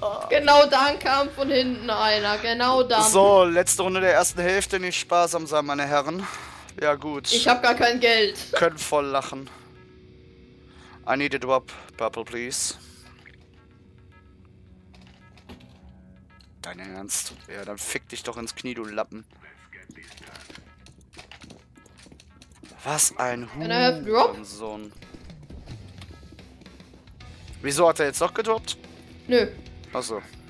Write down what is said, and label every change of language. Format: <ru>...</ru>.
<de>Genau dann kam von hinten einer. Genau dann. So, letzte Runde der ersten Hälfte. Nicht sparsam sein, meine Herren. Ja, gut. Ich hab gar kein Geld. Können voll lachen.</de> <en>I need a drop, Purple, please.</en> <de>Dein Ernst? Ja, dann fick dich doch ins Knie, du Lappen. Was ein Hurensohn. Wieso hat er jetzt noch gedroppt? Nö. Achso.</de>